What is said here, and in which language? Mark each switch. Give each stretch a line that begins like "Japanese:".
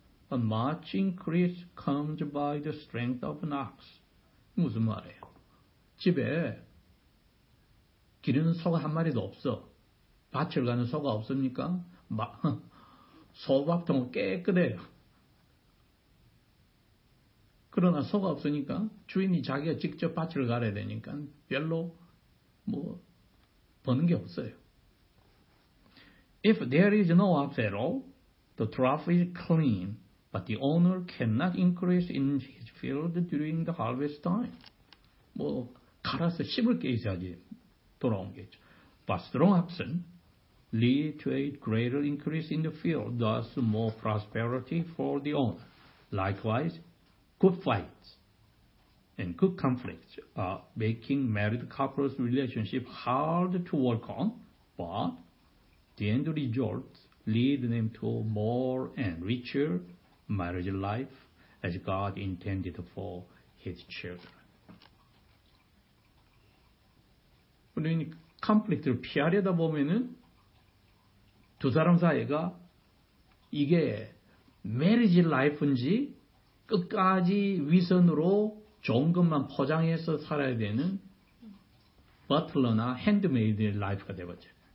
English: A much increase comes by the strength of an ox.
Korean: 무슨 말이에요? 집에 기르는 소가 한 마리도 없어. 밭을 가는 소가 없습니까? 소밭통은 깨끗해요. 그러나 소가 없으니까 주인이 자기가 직접 밭을 갈아야 되니까 별로 뭐 버는 게 없어요.
English: If there is no ox at all, the trough is clean, but the owner cannot increase in his field during the harvest time.
Korean: 뭐, 갈아서 씹을 게 있어야지 돌아온 게 있죠.
English: But strong oxen lead to a greater increase in the field, thus more prosperity for the owner. Likewise, good fights and good conflicts are making married couples' relationship hard to work on, but the end results lead them to more and richer marriage life as God intended for His children.
Korean: 우리는 컴플릭트를 피하려다 보면은 두 사람 사이가 이게 marriage life인지 끝까지 위선으로 좋은 것만 포장해서 살아야 되는 버틀러나 핸드메이드 라이프가 되어버죠.